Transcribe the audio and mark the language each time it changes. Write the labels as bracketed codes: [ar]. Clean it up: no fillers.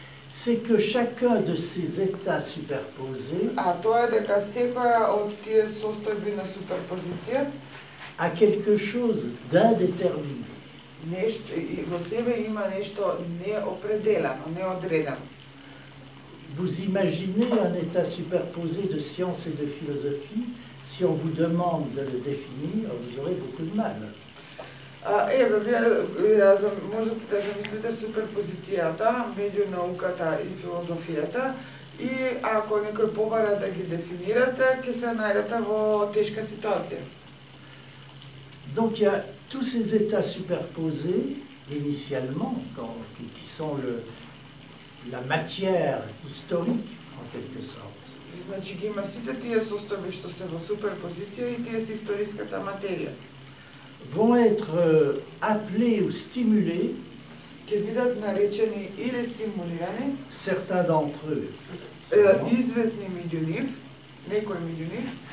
[fr] C'est que chacun de ces états superposés, [mk] а тоа е дека секоја од тие состојби на суперпозиција, [fr] a quelque chose d'indéterminé. [mk] Нешто и во себе има нешто неопределено, неодредено. [fr] Vous imaginez un état superposé de science et de philosophie? Si on vous demande de le définir, vous aurez beaucoup de mal. [mk] Можете да замислите суперпозицијата меѓу науката и филозофијата и ако некој побара да ги дефинирате, ќе се најдете во тешка ситуација. [fr] Donc il y a tous ces états superposés initialement qui sont la matière historique en quelque sorte. [mk] Значи ги има сите тие состојби што се во суперпозиција и тие се историската материја. [fr] Vont être appelés ou stimulés, [mk] ќе бидат наречени или стимулирани, [fr] certains d'entre eux. [mk] Извесни меѓу нив, некои меѓу нив,